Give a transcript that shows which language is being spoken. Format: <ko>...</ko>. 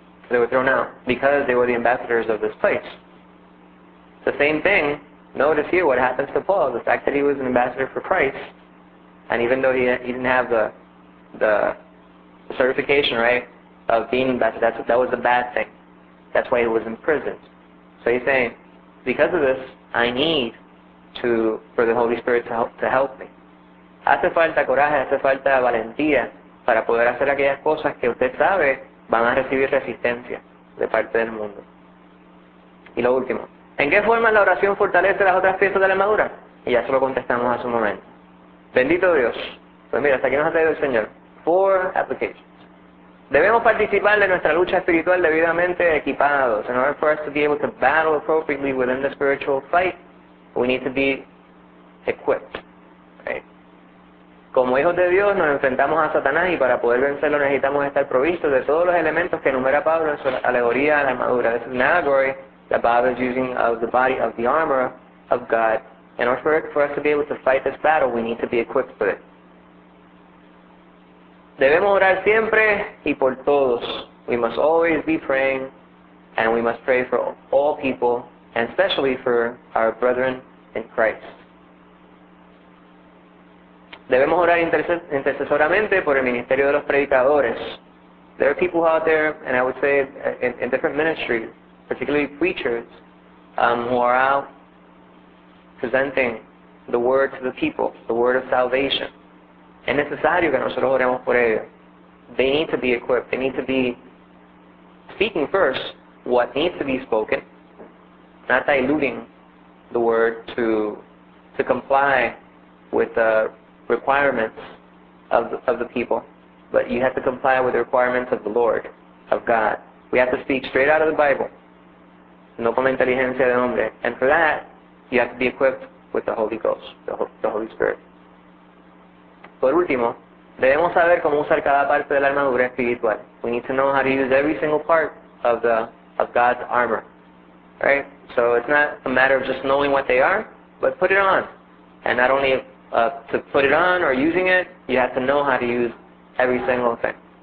<en>They were thrown out because they were the ambassadors of this place. The same thing, notice here what happens to Paul, the fact that he was an ambassador for Christ, and even though he didn't have the certification, right, of being ambassador, that was a bad thing. That's why he was imprisoned. So he's saying, because of this, I need for the Holy Spirit to help me.</en> <es>Hace falta coraje, hace falta valentía para poder hacer aquellas cosas que usted sabe van a recibir resistencia de parte del mundo. Y lo último, ¿en qué forma la oración fortalece las otras piezas de la armadura? Y ya se lo contestamos hace un momento. Bendito Dios. Pues mira, hasta aquí nos ha traído el Señor.</es> <en>4 applications.</en> <es>Debemos participar de nuestra lucha espiritual debidamente equipados.</es> <en>In order for us to be able to battle appropriately within the spiritual fight, we need to be equipped. Okay.</en> <es>Como hijos de Dios, nos enfrentamos a Satanás y para poder vencerlo necesitamos estar provistos de todos los elementos que enumera Pablo en su alegoría a la armadura.</es> <en>This is an allegory that Bob is using of the body of the armor of God. In order for us to be able to fight this battle, we need to be equipped for it.</en> <es>Debemos orar siempre y por todos.</es> <en>We must always be praying, and we must pray for all people, and especially for our brethren in Christ.</en> <es>Debemos orar intercesoramente por el ministerio de los predicadores.</es> <en>There are people out there, and I would say in different ministries, particularly preachers, who are out presenting the word to the people, the word of salvation.</en> <es>Es necesario que nosotros oremos por ellos.</es> <en>They need to be equipped. They need to be speaking first what needs to be spoken, not diluting the word to comply with the requirements of the people. But you have to comply with the requirements of the Lord, of God. We have to speak straight out of the Bible.</en> <es>No con la inteligencia de hombre.</es> <en>And for that, you have to be equipped with the Holy Ghost, the Holy Spirit.</en> <es>Por último, debemos saber cómo usar cada parte de la armadura espiritual.</es> <en>We need to know how to use every single part of God's armor. Right? So it's not a matter of just knowing what they are, but put it on. And not only to put it on or using it, you have to know how to use every single thing.</en>